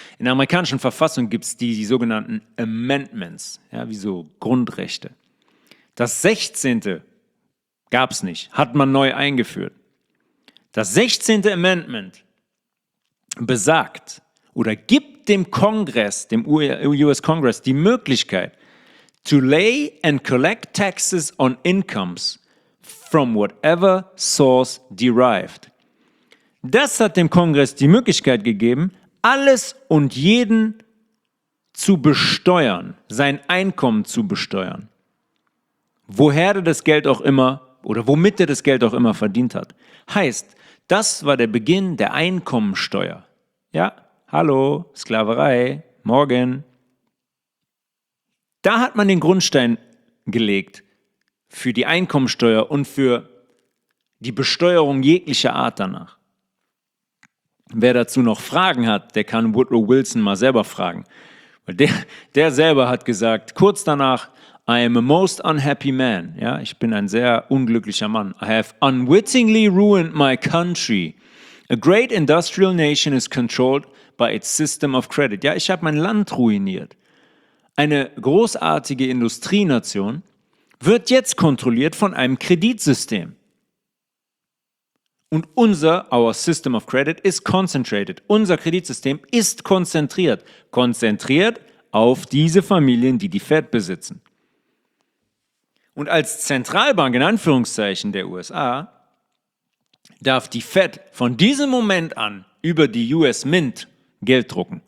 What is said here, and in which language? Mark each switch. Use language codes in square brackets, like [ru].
[de] In der amerikanischen Verfassung gibt es die sogenannten Amendments, ja, wie so Grundrechte. Das 16. gab es nicht, hat man neu eingeführt. Das 16. Amendment besagt oder gibt dem Kongress, dem US-Kongress, die Möglichkeit, [en] to lay and collect taxes on incomes from whatever source derived. [de] Das hat dem Kongress die Möglichkeit gegeben, alles und jeden zu besteuern, sein Einkommen zu besteuern. Woher er das Geld auch immer oder womit er das Geld auch immer verdient hat. Heißt, das war der Beginn der Einkommensteuer. Ja, hallo, Sklaverei, morgen. Da hat man den Grundstein gelegt für die Einkommensteuer und für die Besteuerung jeglicher Art danach. Wer dazu noch Fragen hat, der kann Woodrow Wilson mal selber fragen. Der selber hat gesagt, kurz danach, [en] I am a most unhappy man. [de] Ja, ich bin ein sehr unglücklicher Mann. [en] I have unwittingly ruined my country. A great industrial nation is controlled by its system of credit. [de] Ja, ich habe mein Land ruiniert. Eine großartige Industrienation wird jetzt kontrolliert von einem Kreditsystem. [en] Und our system of credit is concentrated. [de] Unser Kreditsystem ist konzentriert. Konzentriert auf diese Familien, die Fed besitzen. Und als Zentralbank in Anführungszeichen der USA darf die Fed von diesem Moment an über die US Mint Geld drucken.